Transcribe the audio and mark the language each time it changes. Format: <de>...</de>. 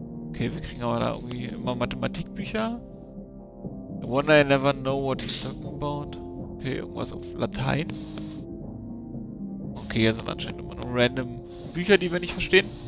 <de>Okay, wir kriegen aber da irgendwie immer Mathematikbücher.</de> <en>I wonder I never know what he's talking about.</en> <de>Okay, irgendwas auf Latein. Okay, hier sind anscheinend immer nur random Bücher, die wir nicht verstehen.</de>